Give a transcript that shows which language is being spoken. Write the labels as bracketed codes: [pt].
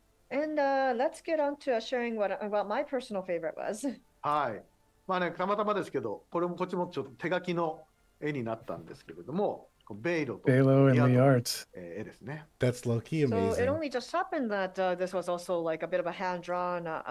[en] And let's get on to sharing what my personal favorite was. Hi. [ja] まあね、たまたまですけど、これもこっちもちょっと手書きの絵になったんですけれども、 [en] Baylo and the art. That's low key amazing. So it only just happened that this was also like a bit of a hand drawn.